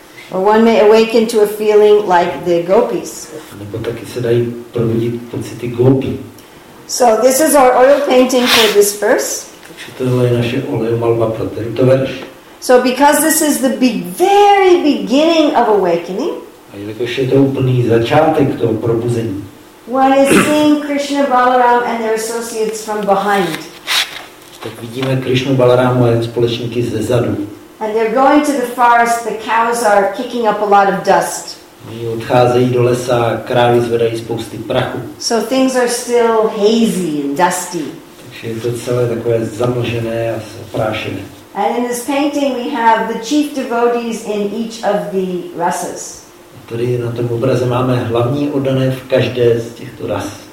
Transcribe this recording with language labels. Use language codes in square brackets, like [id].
[en] Or one may awaken to a feeling like the gopis. [cs] Nebo taky se dají probudit pocity gopí. [en] So this is our oil painting for this verse. [cs] Takže tohle je naše olej malba pro tento verš. [en] So because this is the very beginning of awakening. [cs] A jelikož je to úplný začátek toho probuzení. [en] One is seeing Krishna Balaram and their associates from behind. [cs] Tak vidíme Krishnu Balarámu a jeho společníky zezadu. [en] And they're going to the forest. The cows are kicking up a lot of dust. [cs] Oni odcházejí do lesa, krávy zvedají spousty prachu. [en] So things are still hazy and dusty. [cs] Takže je to celé takové zamlžené a oprášené. [en] And in this painting we have the chief devotees in each of the rasas. [cs] Tady na tom obraze máme hlavní oddané v každé z těchto ras.